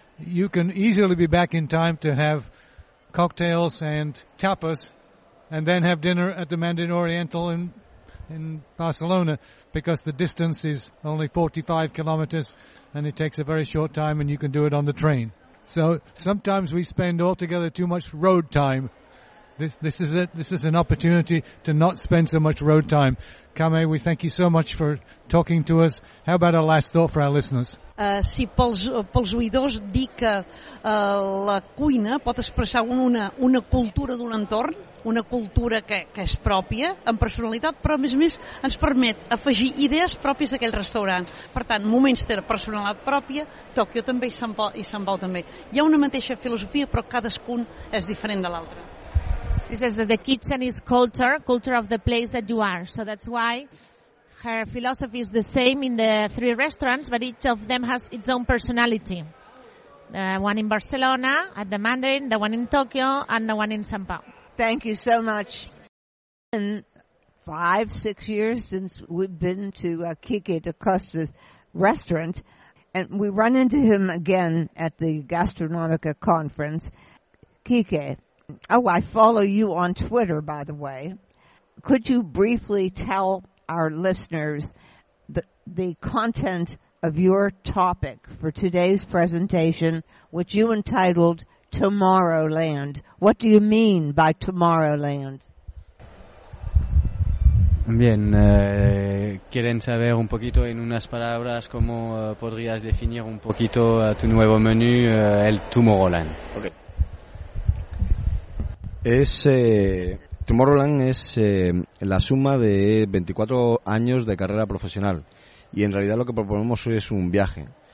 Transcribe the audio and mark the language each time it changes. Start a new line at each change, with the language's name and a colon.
English: You can easily be back in time to have cocktails and tapas and then have dinner at the Mandarin Oriental in Barcelona, because the distance is only 45 kilometers and it takes a very short time and you can do it on the train. So sometimes we spend altogether too much road time. This is an opportunity to not spend so much road time. Kame, we thank you so much for talking to us. How about a last thought for our listeners?
Catalan: Sí, pels oïdors, dir que la cuina pot expressar una cultura d'un entorn, una cultura que és pròpia, amb personalitat, però a més a més ens permet afegir idees pròpies d'aquell restaurant. Per tant, moments de personalitat pròpia, Tòquio també i Sant Pau també. Hi ha una mateixa filosofia, però cadascun és diferent de l'altre.
English: She says that the kitchen is culture of the place that you are. So that's why her philosophy is the same in the three restaurants, but each of them has its own personality. The one in Barcelona, at the Mandarin, the one in Tokyo, and the one in São Paulo. Thank you so much. It's been 5-6 years since we've been to Kike da Costa's restaurant, and we run into him again at the Gastronomica conference. Kike. Oh, I follow you on Twitter, by the way. Could you briefly tell our listeners the content of your topic for today's presentation, which you entitled Tomorrowland? What do you mean by Tomorrowland?
Spanish: Bien, quieren saber un poquito en unas palabras cómo podrías definir un poquito tu nuevo menú, el Tomorrowland.
English: Okay.
Spanish: Es Tomorrowland es la suma de 24 años de carrera profesional, y en realidad lo que proponemos es un viaje